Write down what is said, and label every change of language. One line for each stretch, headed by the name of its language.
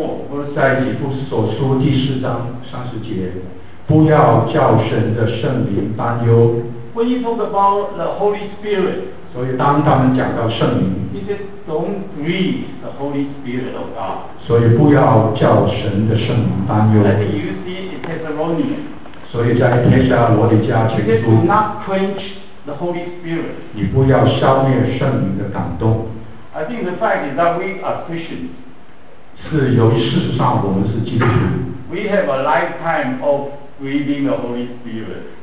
Chinese: 所以在
English: chapter 4，
Chinese: 在以弗所书第四章30节, 不要叫神的圣灵担忧。
English: When you talk about the Holy Spirit,
Chinese: 所以当他们讲到圣灵,
English: he said, don't grieve the Holy Spirit of God.
Chinese: 所以不要叫神的圣灵担忧。
English: And you see in Thessalonians,
Chinese: 所以在帖撒罗尼迦前书,
English: he said, do not quench the Holy Spirit.
Chinese: 你不要消灭圣灵的感动。
English: I think the fact is that we are Christians.
Chinese: 是由于事实上我们是基督徒。
English: We have a lifetime of grieving the Holy Spirit.